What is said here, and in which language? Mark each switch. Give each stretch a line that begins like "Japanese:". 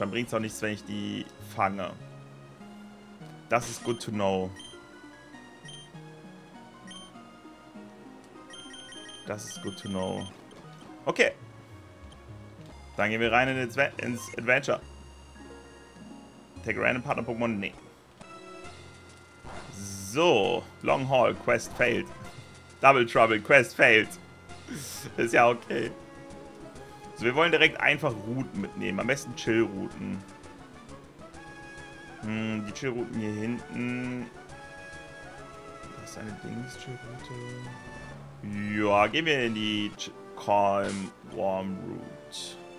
German: Dann bringt es auch nichts, wenn ich die fange. Das ist
English: good to know.
German: Das ist
English: good to know.
German: Okay. Dann gehen wir rein ins Adventure.
English: Take a random partner Pokémon? Nee. So, Long Haul, Quest failed. Double Trouble, Quest failed.
German: Ist ja okay. So, wir wollen direkt einfach Routen mitnehmen. Am besten Chill-Routen. Hm, die Chill-Routen hier hinten. Das ist eine Dings-Chill-Route. Ja, gehen wir in die Calm Warm Route.